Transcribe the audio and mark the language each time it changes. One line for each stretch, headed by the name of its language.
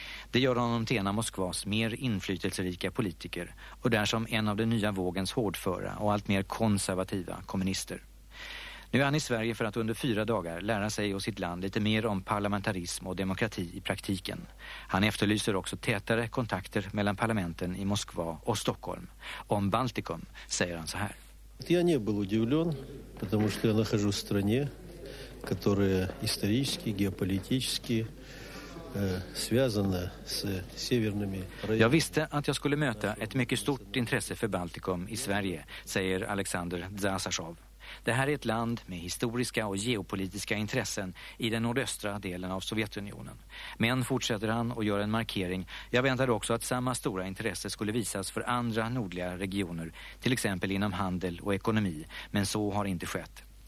Swedish: Det gör honom till en av Moskvas mer inflytelserika politiker och där som en av den nya vågens hårdföra och allt mer konservativa kommunister. Nu är han i Sverige för att under 4 dagar lära sig och sitt land lite mer om parlamentarism och demokrati i praktiken. Han efterlyser också tätare kontakter mellan parlamenten i Moskva och Stockholm. Om Baltikum säger han så här.
Russian: Jag не был удивлен, потому что я нахожусь в стране, которая исторически, геополитически связана с северными районами.
Swedish: Jag visste att jag skulle möta ett mycket stort intresse för Baltikum i Sverige, säger Alexander Zasarsov. Det här är ett land med historiska och geopolitiska intressen i den nordöstra delen av Sovjetunionen. Men, fortsätter han och gör en markering, jag väntade också att samma stora intresse skulle visas för andra nordliga regioner, till exempel inom handel och ekonomi, men så har inte skett.